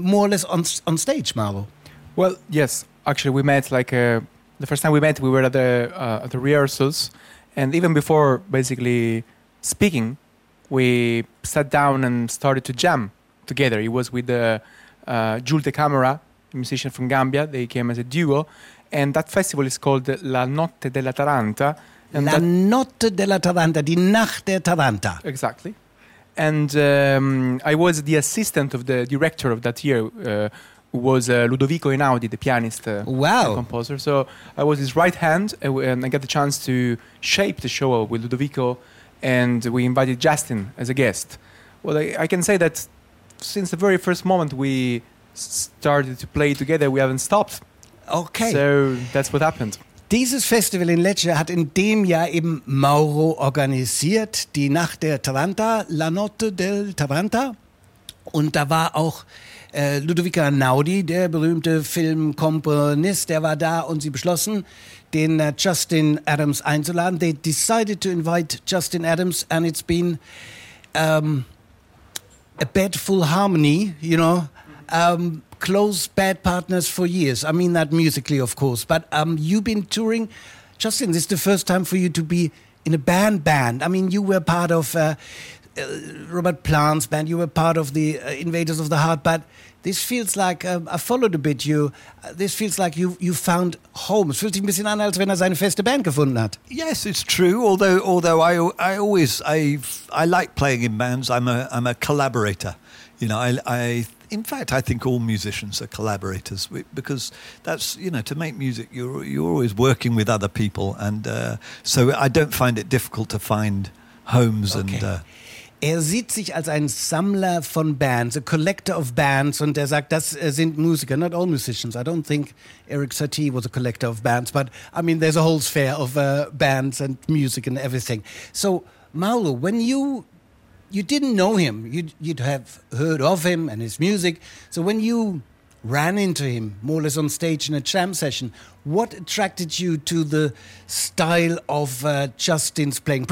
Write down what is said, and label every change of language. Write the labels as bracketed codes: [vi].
[en] More or less on stage, Mauro. Well, yes. Actually, we met the first time we met, we were at the rehearsals. And even before basically speaking, we sat down and started to jam together. It was with Jules de Camera, a musician from Gambia. They came as a duo. And that festival is called La Notte della Taranta. [de] La Notte della Taranta, Die Nacht der Taranta. [en] Exactly. And I was the assistant of the director of that year, who was Ludovico Einaudi, the pianist and composer. So I was his right hand, and I got the chance to shape the show with Ludovico, and we invited Justin as a guest. Well, I can say that since the very first moment we started to play together, we haven't stopped. Okay. So that's what happened. [de] Dieses Festival in Lecce hat in dem Jahr eben Mauro organisiert, die Nacht der Taranta, La Notte del Taranta. Und da war auch Ludovico Einaudi, der berühmte Filmkomponist, der war da und sie beschlossen, den Justin Adams einzuladen. [en] They decided to invite Justin Adams and it's been a bed full harmony, you know. Close bad partners for years. I mean that musically, of course. But you've been touring. Justin, this is the first time for you to be in a band. I mean, you were part of Robert Plant's band. You were part of the Invaders of the Heart. But this feels like, I followed a bit you. This feels like you found home. [de] Es fühlt sich ein bisschen an, als wenn seine feste Band gefunden hat. [en] Yes, it's true. Although I like playing in bands. I'm a collaborator. You know, in fact, I think all musicians are collaborators because that's, you know, to make music, you're always working with other people. And so I don't find it difficult to find homes. Okay. And [de] sieht sich als ein Sammler von Bands, [en] a collector of bands. [de] Und sagt, das sind Musiker, [en] not all musicians. I don't think Eric Satie was a collector of bands. But, I mean, there's a whole sphere of bands and music and everything. So, Mauro, when you didn't know him. You'd have heard of him and his music. So when you ran into him, more or less on stage in a jam session, what attracted you to the style of Justin's playing?